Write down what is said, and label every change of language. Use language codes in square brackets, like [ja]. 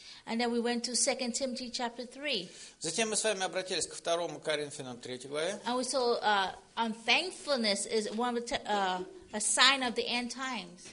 [en] And then we went to 2 Timothy chapter 3. [ru] Затем мы с вами обратились ко 2 Коринфянам 3 главе. [en] And we saw unthankfulness is one of the a sign of the end times.